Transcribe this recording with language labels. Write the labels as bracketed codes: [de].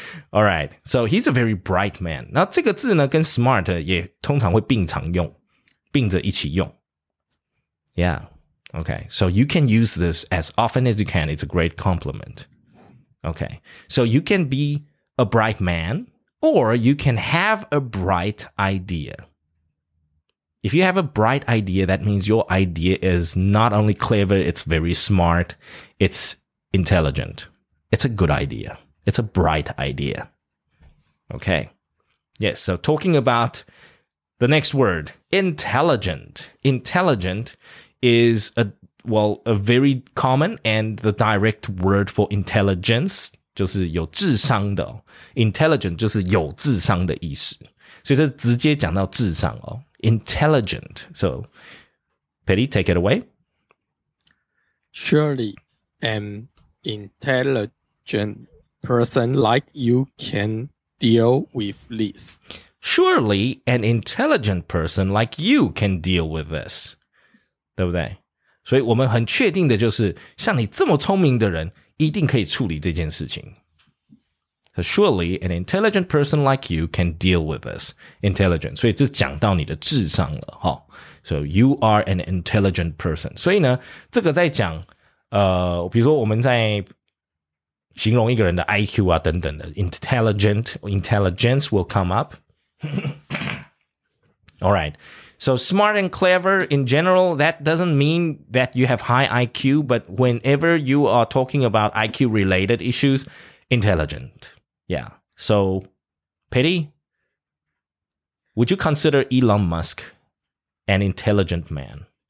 [en] All right, so he's a very bright man. [zh] 那这个字呢，跟 smart 也通常会并常用，并着一起用。 [en] Yeah, okay. So you can use this as often as you can. It's a great compliment. Okay, so you can be a bright man or you can have a bright idea. If you have a bright idea, that means your idea is not only clever, it's very smart, it's intelligent. It's a good idea. It's a bright idea. Okay, yes, so talking about the next word, intelligent. Intelligent is a, well, a very common and the direct word for intelligence, [zh] 就是有智商的、哦、intelligent 就是有智商的意思，所以这直接讲到智商哦。 [en] Intelligent. So, Patty, take it away. Surely, an intelligent person like you can deal with this. Surely, an intelligent person like you can deal with this. [zh] 对不对？所以我们很确定的就是，像你这么聪明的人，一定可以处理这件事情。 [en] So surely an intelligent person like you can deal with this. Intelligent. [zh] 所以这讲到你的智商了，哈。 [en] So you are an intelligent person. [zh] 所以呢，这个在讲，比如说我们在形容一个人的 IQ 啊等等的 ， [en] intelligent intelligence will come up. All right. So smart and clever in general, that doesn't mean that you have high IQ, but whenever you are talking about IQ related issues, intelligent. Yeah. So, Petty, would you consider Elon Musk an intelligent man?